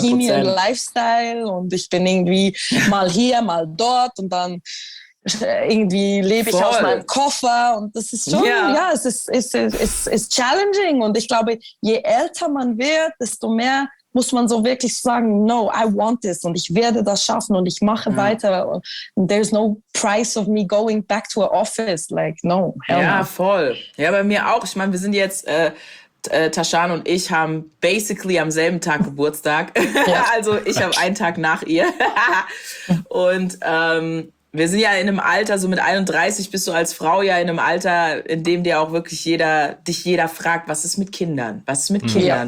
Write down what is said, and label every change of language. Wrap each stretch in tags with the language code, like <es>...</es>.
<de>Bohemian Lifestyle und ich bin irgendwie mal hier, mal dort und dann irgendwie lebe ich aus meinem Koffer und das ist schon, es ist challenging und ich glaube, je älter man wird, desto mehr muss man so wirklich sagen,</de> <en>no, I want this</en> <de>und ich werde das schaffen und ich mache weiter.</de> <en>And there's no price of me going back to an office, like, no.</en> <de>Hell ja, voll. Ja, bei mir auch. Ich meine, wir sind jetzt, Tashan und ich haben basically am selben Tag Geburtstag. Ja. Also ich habe einen Tag nach ihr. Und wir sind ja in einem Alter, so mit 31 bist du als Frau ja in einem Alter, in dem dir auch wirklich jeder fragt, was ist mit Kindern? Was ist mit Kindern?</de>